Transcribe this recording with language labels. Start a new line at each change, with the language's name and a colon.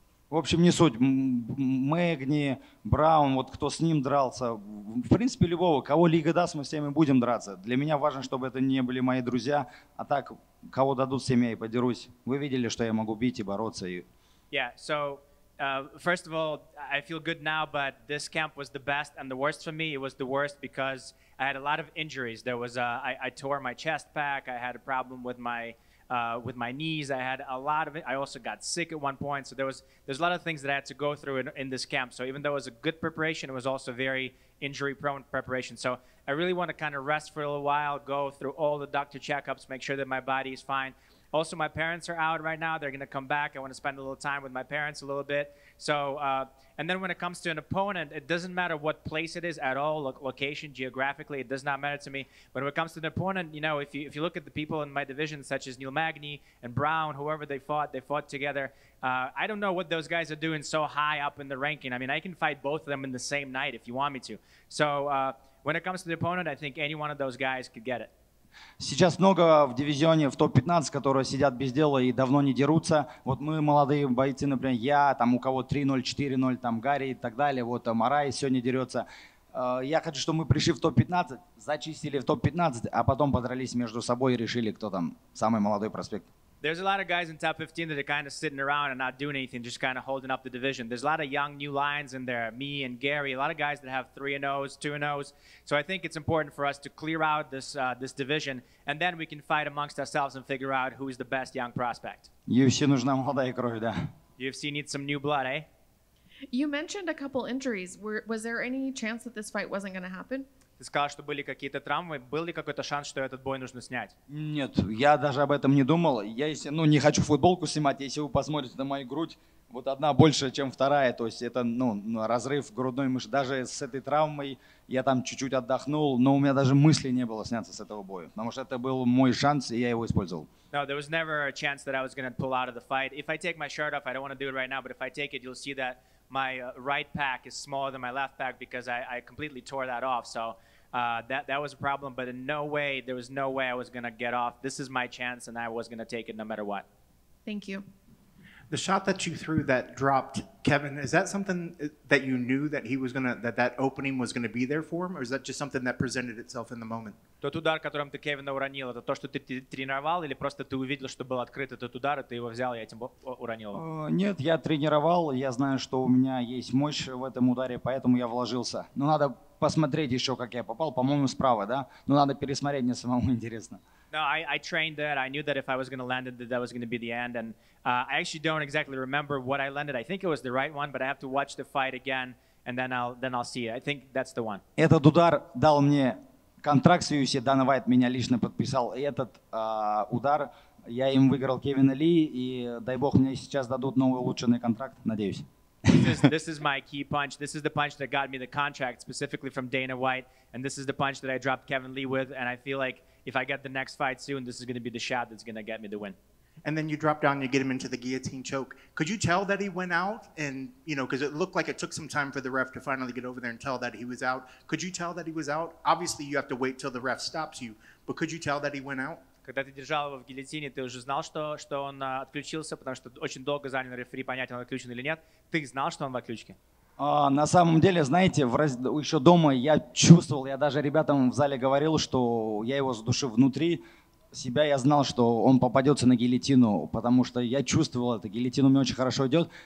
Russian: В общем, не суть. Мэгни, Браун, вот кто с ним дрался. В принципе, любого. Кого лига даст, мы с теми будем драться. Для меня важно, чтобы это не были мои друзья. А так, кого дадут, с теми я и подерусь. Вы видели, что я могу бить и бороться.
English: Yeah, so, first of all, I feel good now, but this camp was the best and the worst for me. It was the worst because I had a lot of injuries. There was a, I tore my chest pack. I had a problem with my... with my knees, I had a lot of it. I also got sick at one point, so there's a lot of things that I had to go through in this camp. So even though it was a good preparation, it was also very injury-prone preparation. So I really want to kind of rest for a little while, go through all the doctor checkups, make sure that my body is fine. Also, my parents are out right now. They're going to come back. I want to spend a little time with my parents a little bit. So, and then when it comes to an opponent, it doesn't matter what place it is at all, location, geographically, it does not matter to me. But when it comes to an opponent, you know, if you look at the people in my division, such as Neil Magny and Brown, whoever they fought together. I don't know what those guys are doing so high up in the ranking. I mean, I can fight both of them in the same night if you want me to. So when it comes to the opponent, I think any one of those guys could get it.
Russian: Сейчас много в дивизионе, в топ-15, которые сидят без дела и давно не дерутся. Вот мы молодые бойцы, например, я, там у кого 3-0, 4-0, там Гарри и так далее, вот Марай сегодня дерется. Я хочу, чтобы мы пришли в топ-15, зачистили в топ-15, а потом подрались между собой и решили, кто там самый молодой проспект.
English: There's a lot of guys in top 15 that are kind of sitting around and not doing anything, just kind of holding up the division. There's a lot of young, new lions in there, me and Gary, a lot of guys that have 3-0s, 2-0s. So I think it's important for us to clear out this this division, and then we can fight amongst ourselves and figure out who is the best young prospect.
Russian: UFC нужна молодая кровь, да.
English: UFC needs some new blood, eh? You mentioned a couple injuries. Was there any chance that this fight wasn't going to happen?
Russian: Ты сказал, что были какие-то травмы. Был ли какой-то шанс, что этот бой нужно снять? Нет, я даже об этом не думал. Я если, ну, не хочу футболку снимать. Если вы посмотрите на мою грудь, вот одна больше, чем вторая. То есть это ну, разрыв грудной мышцы. Даже с этой травмой я там чуть-чуть отдохнул, но у меня даже мысли не было сняться с этого боя. Потому что это был мой шанс, и я его использовал.
English: No, there was never a chance that I was going to pull out of the fight. If I take my shirt off, I don't want to do it right now, but if I take it, you'll see that my right pack is smaller than my left pack because I completely tore that off. So that was a problem, but in no way, there was no way I was going to get off. This is my chance, and I was going to take it no matter what. Thank you. The shot that you threw that dropped Kevin, is that something that you knew that he was going to, that opening was going to be there for him, or is that just something that presented itself in the moment? Тот удар, которым ты Кевина уронил, это то, что ты тренировал, или просто ты увидел, что был открыт этот удар, и ты его взял, и этим уронил? Нет, я тренировал, я знаю, что у меня есть мощь в этом ударе, поэтому я вложился. Но надо посмотреть еще, как я попал, по-моему, справа, да? Но надо пересмотреть, мне самому интересно. No, I trained that. I knew that if I was going to land it, that was going to be the end. And I actually don't exactly remember what I landed. I think it was the right one, but I have to watch the fight again, and then I'll see. I think that's the one.
Russian: Этот удар дал мне контракт с UFC. Дана Вайт меня лично подписал. И этот удар я им выиграл Кевина Ли, и дай бог мне сейчас дадут новый улучшенный контракт, надеюсь.
English: This is my key punch. This is the punch that got me the contract specifically from Dana White, and this is the punch that I dropped Kevin Lee with. And I feel like if I get the next fight soon, this is going to be the shot that's going to get me the win. And then you drop down, you get him into the guillotine choke. Could you tell that he went out? And you know, because it looked like it took some time for the ref to finally get over there and tell that he was out. Could you tell that he was out? Obviously, you have to wait till the ref stops you. But could you tell that he went out?
Russian: Когда ты держал его в гильотине, ты уже знал, что он отключился, потому что очень долго занял рефери понять, он отключен или нет. Ты знал, что он в отключке? На самом деле, знаете, еще дома я чувствовал, я даже ребятам в зале говорил, что я его задушил внутри себя, я знал, что он попадется на гильотину, потому что я чувствовал это, гильотина мне очень хорошо идет.